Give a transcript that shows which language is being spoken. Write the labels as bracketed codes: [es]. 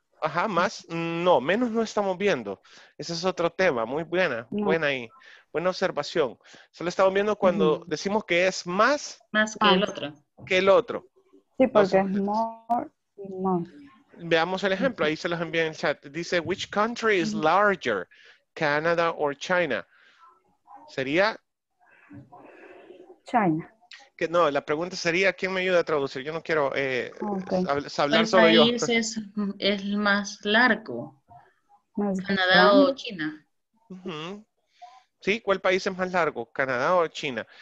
[es] Ajá, más, no, menos no estamos viendo. Ese es otro tema, muy buena, no. Buena ahí. Buena observación. Solo estamos viendo cuando decimos que es más. Más que el otro. Que el otro. Sí, porque es more y más. Veamos el ejemplo, ahí se los envía en el chat. Dice, [en] which country is larger, Canada or China? [es] Sería. China. Que no, la pregunta sería, ¿quién me ayuda a traducir? Yo no quiero hablar sobre yo. ¿El país es más largo? ¿Más Canadá grande? ¿O China? Uh-huh. Sí, ¿cuál país es más largo? ¿Canadá o China?